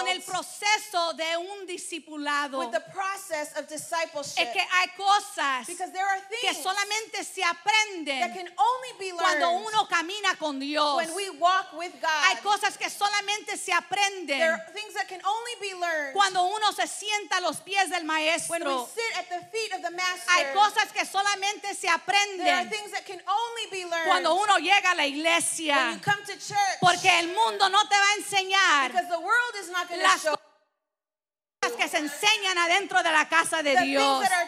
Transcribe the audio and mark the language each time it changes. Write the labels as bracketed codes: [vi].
[es] con el proceso de un discipulado. [en] With the process of discipleship. [es] Es que hay cosas [en] because there are things [es] que solamente se aprenden [en] that can only be learned [es] cuando uno camina con Dios. [en] When we walk with God. [es] Hay cosas que solamente se aprenden [en] there are things that can only be learned [es] cuando uno se sienta a los pies del maestro. [en] When we sit at the feet of the master, [es] hay cosas que solamente se aprenden [en] there are things that can only be learned [es] cuando uno llega a la iglesia. [en] When you come to church, [es] porque el mundo no te va a enseñar [en] because the world is not going to show [es] que se enseñan adentro de la casa de Dios.